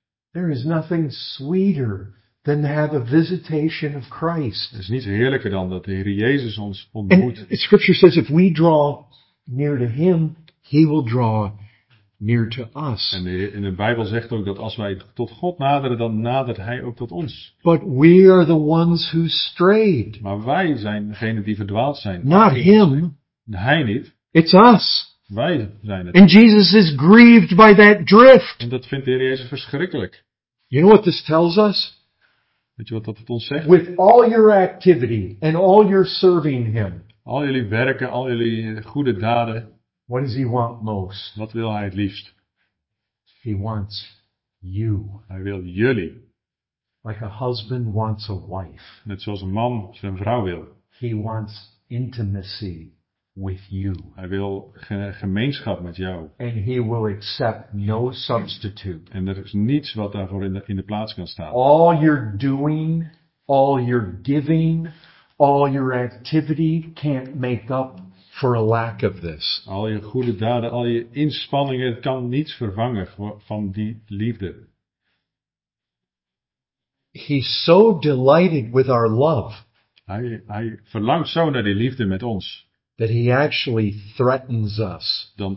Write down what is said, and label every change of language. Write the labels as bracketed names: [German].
[English] There is nothing sweeter than to have a visitation of Christ. [Dutch] Het is niets heerlijker dan dat de Heer Jezus ons ontmoet. [English] And scripture says if we draw near to him, he will draw near to us. [Dutch] En de Bijbel zegt ook dat als wij tot God naderen, dan nadert hij ook tot ons. [English] But we are the ones who strayed. [Dutch] Maar wij zijn degene die verdwaald zijn. [English] Not him. [Dutch] Hij niet. [English] It's us. [Dutch] Wij zijn het. [English] And Jesus is grieved by that drift. [Dutch] En dat vindt de Heer Jezus verschrikkelijk. [English] You know what this tells us? [Dutch] Weet je wat dat het ons zegt? [English] With all your activity and all your serving him. [Dutch] Al jullie werken, al jullie goede daden. [English] What does he want most? [Dutch] Wat wil hij het liefst? [English] He wants you. [Dutch] Hij wil jullie. [English] Like a husband wants a wife. [Dutch] Net zoals een man zijn vrouw wil. [English] He wants intimacy with you. [Dutch] Hij wil gemeenschap met jou. [English] And he will accept no substitute. [Dutch] En er is niets wat daarvoor in de plaats kan staan. [English] All you're doing, all you're giving, all your activity can't make up for a lack of this. [Dutch] Al je goede daden, al je inspanningen, het kan niets vervangen van die liefde. [English] He's so delighted with our love. [Dutch] Hij verlangt zo naar die liefde met ons. [English] That he actually threatens us.